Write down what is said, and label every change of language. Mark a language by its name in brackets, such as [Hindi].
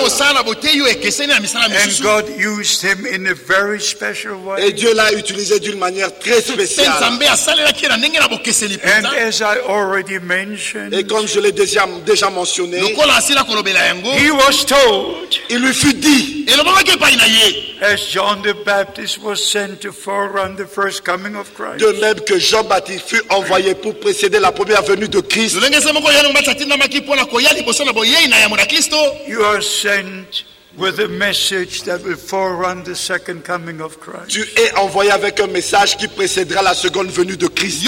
[English] And God used him in a very special way. [French] Et Dieu l'a utilisé d'une manière très spéciale. [English] And as I already mentioned. [French] Et comme je l'ai déjà mentionné. [English] He was told. [French] Il lui fut dit. [English] As John the Baptist was sent to forerun the first coming of Christ. [French] De même que Jean-Baptiste fut envoyé pour précéder la première venue de Christ. [English] You are sent with a message that will forerun the second coming of Christ. [French] Tu es envoyé avec un message qui précédera la seconde venue de Christ.